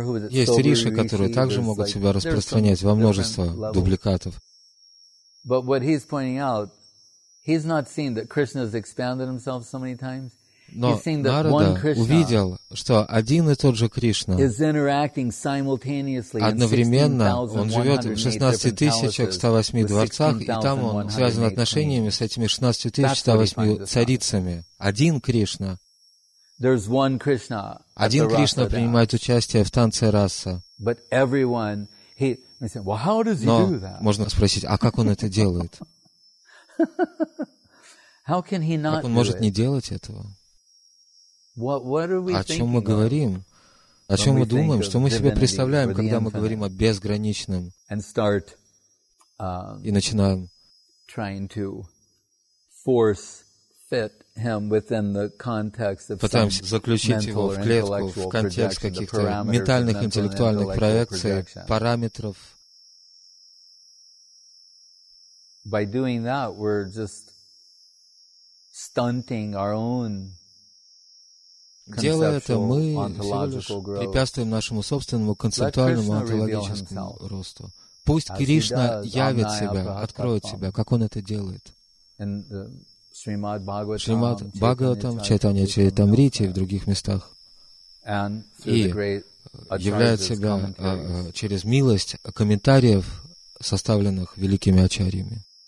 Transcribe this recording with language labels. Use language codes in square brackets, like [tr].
[ru] Есть риши, которые также могут себя распространять во множество дубликатов. [en] But what he's pointing out, he's not seen that Krishna has expanded himself so many times. He's seen that Narada one Krishna [ru] увидел, что один и тот же Кришна [en] is interacting simultaneously [ru] одновременно, он живет в 16 108 дворцах, и там он связан отношениями с этими 16 108 царицами. Один Кришна. [en] There's one Krishna. [ru] Один Кришна принимает участие в танце раса. [en] But everyone, he. [ru] Но можно спросить, а как он это делает? Как он может не делать этого? О чем мы говорим? О чем мы думаем? Что мы себе представляем, когда мы говорим о безграничном? И начинаем пытаемся заключить его в клетку, в контекст каких-то ментальных, интеллектуальных проекций, параметров. [en] By doing that, we're just stunting our own conceptual ontological growth. [ru] Препятствуем нашему собственному концептуальному онтологическому росту. Пусть Кришна явит себя, откроет себя, как он это делает. Шримад Бхагаватам, Чайтанья Чаритамрите и в других местах. И являет себя через милость комментариев, составленных великими ачарьями.